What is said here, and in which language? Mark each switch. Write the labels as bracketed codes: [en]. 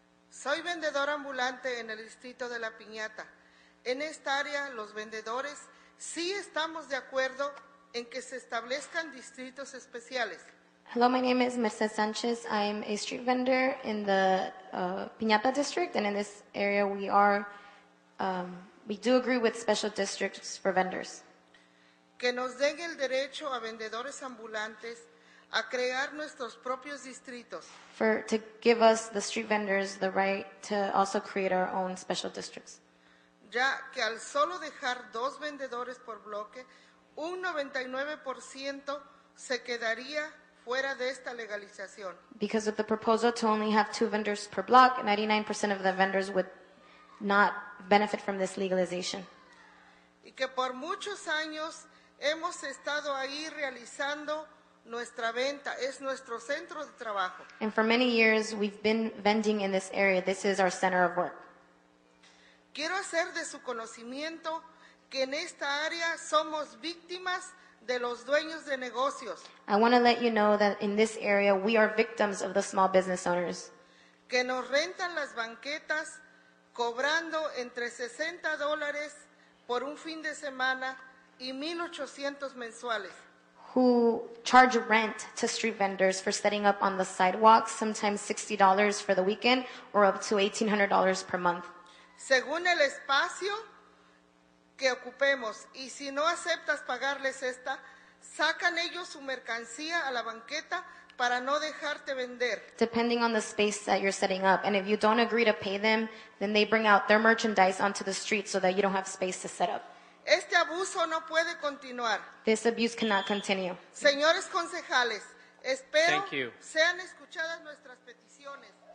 [es] Soy vendedor ambulante en el distrito de La Piñata. En esta área, los vendedores sí estamos de acuerdo en que se establezcan distritos especiales. [en] Hello, my name is Mrs. Sanchez. I'm a street vendor in the Piñata district, and in this area we do agree with special districts for vendors. [es] Que nos den el derecho a vendedores ambulantes a crear nuestros propios distritos. [en] To give us, the street vendors, the right to also create our own special districts. [es] Ya que al solo dejar dos vendedores por bloque, un 99% se quedaría fuera de esta legalización. [en] Because of the proposal to only have two vendors per block, 99% of the vendors would not benefit from this legalization. [es] Y que por muchos años hemos estado ahí realizando nuestra venta, es nuestro centro de trabajo. [en] And for many years we've been vending in this area. This is our center of work. [es] Quiero hacer de su conocimiento que en esta área somos víctimas de los dueños de negocios. [en] I want to let you know that in this area we are victims of the small business owners. [es] Que nos rentan las banquetas cobrando entre $60 por un fin de semana y 1,800 mensuales. [en] Who charge rent to street vendors for setting up on the sidewalks, sometimes $60 for the weekend or up to $1,800 per month. [es] Según el espacio que ocupemos, y si no aceptas pagarles esta, sacan ellos su mercancía a la banqueta para no dejarte vender. [en] Depending on the space that you're setting up, and if you don't agree to pay them, then they bring out their merchandise onto the street so that you don't have space to set up. [es] Este abuso no puede continuar. [en] This abuse cannot continue. [es] Señores concejales, espero sean escuchadas nuestras peticiones.